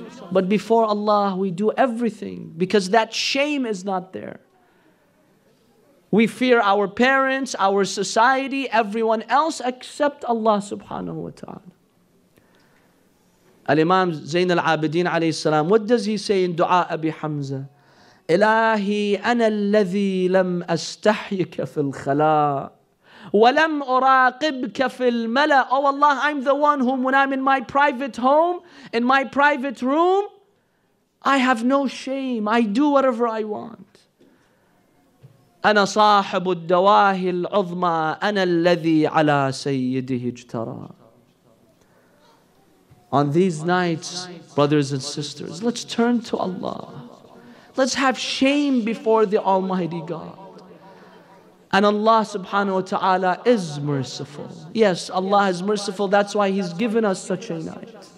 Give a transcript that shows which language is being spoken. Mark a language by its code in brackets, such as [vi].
[en] But before Allah, we do everything because that shame is not there. We fear our parents, our society, everyone else except Allah subhanahu wa ta'ala. Al-Imam Zain al-Abidin alayhi salam, what does he say in Dua Abi Hamza? [ar] إلهي أنا الذي لم أستحيك في الخلاء ولم أراقبك في الملا. [en] Oh Allah, I'm the one whom when I'm in my private home, in my private room, I have no shame. I do whatever I want. [ar] أنا صاحب الدواهي العظمى أنا الذي على سيده اجترى. [en] On these nights, brothers and sisters, let's turn to Allah. Let's have shame before the Almighty God. And Allah subhanahu wa ta'ala is merciful. Yes, Allah is merciful. That's why He's given us such a night.